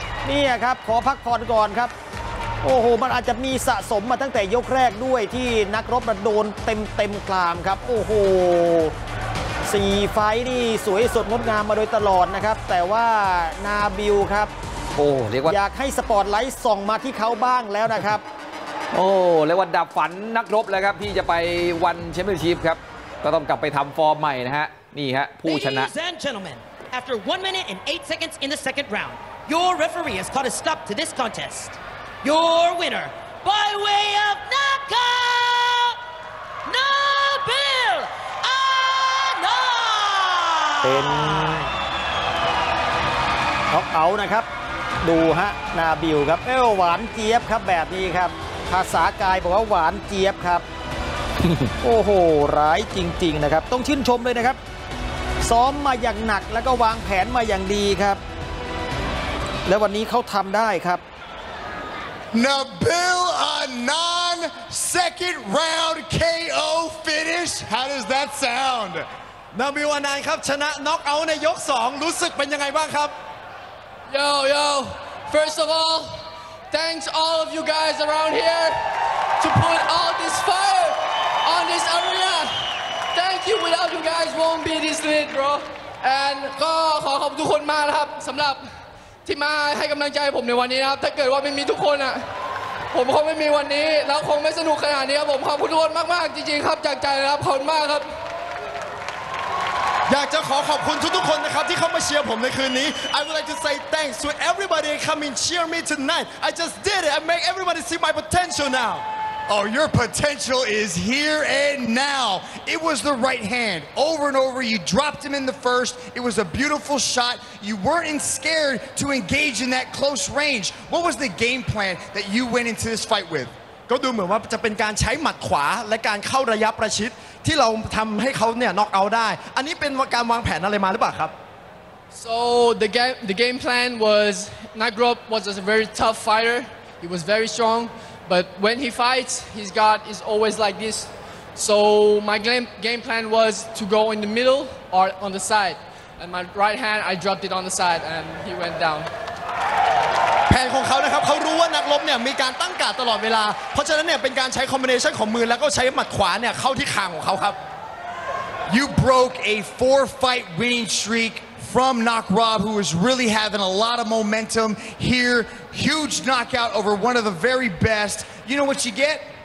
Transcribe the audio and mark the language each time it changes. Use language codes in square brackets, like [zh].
[th] นี่ครับขอพักผ่อนก่อนครับโอ้โหมันอาจจะมีสะสมมาตั้งแต่ยกแรกด้วยที่นักรบมันโดนเต็มกลามครับโอ้โห4ไฟท์นี่สวยสดงดงามมาโดยตลอดนะครับแต่ว่านาบิลครับ โอ้เรียกว่า อยากให้สปอตไลท์ส่องมาที่เขาบ้างแล้วนะครับ โอ้เรียกว่าดับฝันนักรบแล้วครับที่จะไปวันแชมเปี้ยนชิพครับก็ต้องกลับไปทำฟอร์มใหม่นะฮะนี่ฮะผู้ชนะ [en] Ladies and gentlemen after 1 minute and 8 seconds in the second round your referee has called a stop to this contestYour winner by way of knockout, Nabil Ahmed. [th] เป็นท็อกเอานะครับดูฮะนาบิลครับเอ้หวานเจี๊ยบครับแบบนี้ครับภาษากายบอกว่าหวานเจี๊ยบครับ โอ้โหร้ายจริงๆนะครับต้องชื่นชมเลยนะครับซ้อมมาอย่างหนักแล้วก็วางแผนมาอย่างดีครับและวันนี้เขาทำได้ครับ [en] Nabil Adnan second round KO finish how does that sound [th] Nabil Adnan ครับชนะน็อคเอาท์ในยก2รู้สึกเป็นยังไงบ้างครับ [en] Yo yo first of all thanks all of you guys around here to put all this fire on this arena thank you without you guys won't be this lit bro and [th] ก็ขอขอบทุกคนมากนะครับสำหรับที่มาให้กำลังใจผมในวันนี้นะครับถ้าเกิดว่าไม่มีทุกคนอ่ะผมคงไม่มีวันนี้แล้วคงไม่สนุกขนาดนี้ครับผมขอบคุณทุกคนมากๆจริงๆครับจากใจนะครับขอบคุณมากครับ อยากจะขอขอบคุณทุกๆคนนะครับที่เข้ามาเชียร์ผมในคืนนี้ I would like to say thanks to everybody coming cheer me tonight I just did it I make everybody see my potential now [en] Oh your potential is here and now It was the right hand over and over you dropped him in the first It was a beautiful shot You weren't scared to engage in that close range What was the game plan that you went into this fight with [th] ก็ดูเหมือนว่าจะเป็นการใช้หมัดขวาและการเข้าระยะประชิดที่เราทำให้เขาเนี่ยน็อกเอาท์ได้อันนี้เป็นการวางแผนอะไรมาหรือเปล่าครับ [en] So the game plan was Nagrob was a very tough fighter He was very strongBut when he fights, his guard is always like this. So my game plan was to go in the middle or on the side. And my right hand, I dropped it on the side and he went down. [th] แผนของเขานะครับเขารู้ว่านักรบเนี่ยมีการตั้งการ์ดตลอดเวลาเพราะฉะนั้นเนี่ยเป็นการใช้คอมบิเนชันของมือแล้วก็ใช้หมัดขวาเนี่ยเข้าที่คางของเขาครับ [en] You broke a four fight winning streak. From Nagrob, who is really having a lot of momentum here. Huge knockout over one of the very best. You know what you get?